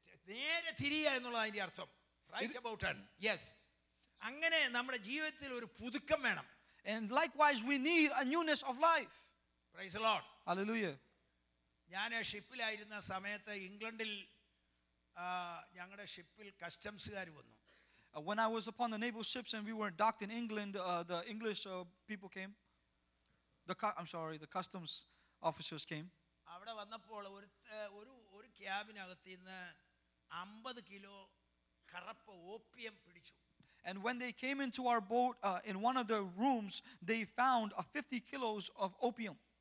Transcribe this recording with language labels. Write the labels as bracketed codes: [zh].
[ml] നേരെ തിരിയ എന്നുള്ളതാണ് അതിന്റെ അർത്ഥം. [en] Right about turn. [ml] Yes. അങ്ങനെ നമ്മുടെ ജീവിതത്തിൽ ഒരു പുതുക്കം വേണം. [en] And likewise, we need a newness of life. Praise the Lord. Hallelujah. [ml] ഞാൻ ഷിപ്പിലായിരുന്ന സമയത്ത് ഇംഗ്ലണ്ടിൽ ഞങ്ങളുടെ ഷിപ്പിൽ കസ്റ്റംസുകാർ വന്നു. [en] When I was upon the naval ships and we were docked in England, the English people came. The customs officers came. [ml] അവിടെ വന്നപ്പോൾ ഒരു ക്യാബിനകത്ത് നിന്ന് 50 കിലോ കറുപ്പ് ഓപ്പിയം പിടിച്ചു. [en] And when they came into our boat, in one of the rooms, they found 50 kilos of opium.